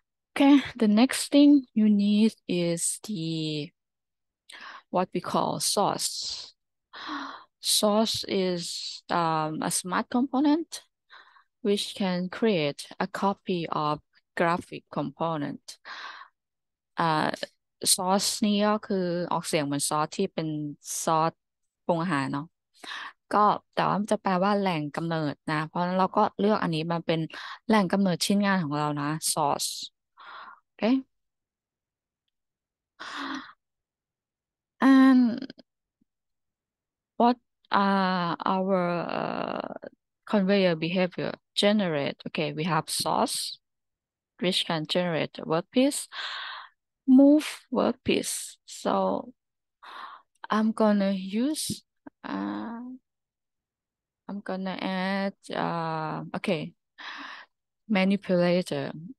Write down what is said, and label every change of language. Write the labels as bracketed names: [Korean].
[English] Okay, the next thing you need is the what we call source. Source is a smart component which can create a copy of graphic component. [Thai] Source นี้ก็คือออกเสียงเหมือน source ที่เป็น source ปรุงอาหารเนาะก็แต่ว่ามันจะแปลว่าแหล่งกำเนิดนะเพราะฉะนั้นเราก็เลือกอันนี้มาเป็นแหล่งกำเนิดชิ้นงานของเรานะ [English] source okay and whatour conveyor behavior generate. Okay, we have source which can generate a workpiece, move workpiece. So I'm gonna use I'm gonna add okay, manipulator.